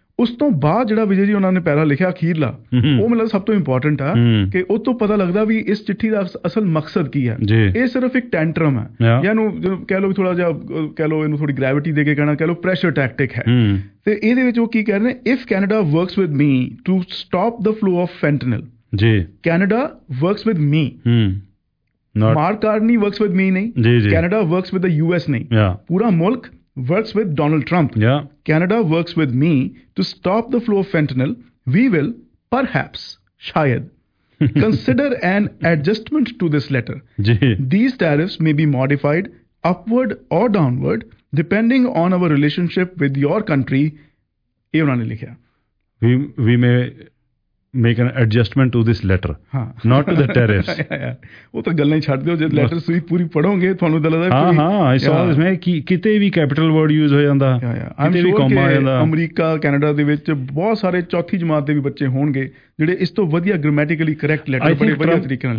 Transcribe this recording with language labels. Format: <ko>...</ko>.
<pa>ਉਸ ਤੋਂ ਬਾਅਦ ਜਿਹੜਾ ਵਿਜੇ ਜੀ ਉਹਨਾਂ ਨੇ ਪਹਿਲਾਂ ਲਿਖਿਆ ਅਖੀਰਲਾ ਉਹ ਮਤਲਬ ਸਭ ਤੋਂ ਇੰਪੋਰਟੈਂਟ ਆ ਕਿ ਉਹ ਤੋਂ ਪਤਾ ਲੱਗਦਾ ਵੀ ਇਸ ਚਿੱਠੀ ਦਾ ਅਸਲ ਮਕਸਦ ਕੀ ਹੈ ਇਹ ਸਿਰਫ ਇੱਕ ਟੈਂਟਰਮ ਹੈ ਜਾਂ ਕਹਿ ਲਓ ਥੋੜਾ ਜਿਹਾ ਕਹਿ ਲਓ ਇਹਨੂੰ ਥੋੜੀ ਗ੍ਰੈਵਿਟੀ ਦੇ ਕੇ ਕਹਿਣਾ ਕਹਿ ਲਓ ਪ੍ਰੈਸ਼ਰ ਟੈਕਟਿਕ ਹੈ ਤੇ ਇਹਦੇ ਵਿੱਚ ਉਹ ਕੀ ਕਹਿ ਰਹੇ ਨੇ</pa> <en>if Canada works with me</en> <pa>to stop the flow of fentanyl Canada works with me mark Carney works with me ਨਹੀਂ</pa> <en>Canada works with the US</en> <pa>ਨਹੀਂ ਪੂਰਾ ਮੁਲਕ</pa> <en>works with Donald Trump. Yeah. Canada works with me to stop the flow of fentanyl. We will, perhaps,</en> <pa>shayad,</pa> <en>consider an adjustment to this letter. These tariffs may be modified upward or downward depending on our relationship with your country.</en> <pa>ਇਹ ਉਹਨਾਂ ਨੇ ਲਿਖਿਆ.</pa> <en>We may make an adjustment to this letter.</en> <pa>Haan.</pa> <en>Not to the tariffs.</en> <pa>ਉਹ ਤਾਂ ਗੱਲਾਂ ਹੀ ਛੱਡ ਦਿਓ ਜੇ ਲੈਟਰ ਸਹੀ ਪੂਰੀ ਪੜੋਗੇ ਤੁਹਾਨੂੰ ਤਾਂ ਲੱਗਦਾ ਹਾਂ ਹਾਂ ਇਸ ਵਾਰ ਮੈਂ ਕਿਤੇ ਵੀ ਕੈਪੀਟਲ ਵਰਡ ਯੂਜ਼ ਹੋ ਜਾਂਦਾ ਕਿਤੇ ਵੀ ਕੋਮਾ ਆ ਜਾਂਦਾ ਅਮਰੀਕਾ ਕੈਨੇਡਾ ਦੇ ਵਿੱਚ ਬਹੁਤ ਸਾਰੇ ਚੌਥੀ ਜਮਾਤ ਦੇ ਵੀ ਬੱਚੇ ਹੋਣਗੇ ਜਿਹੜੇ ਇਸ ਤੋਂ ਵਧੀਆ ਗ੍ਰਾਮੈਟੀਕਲੀ ਕਰੈਕਟ ਲੈਟਰ ਬੜੇ ਵਧੀਆ ਤਰੀਕੇ ਨਾਲ</pa>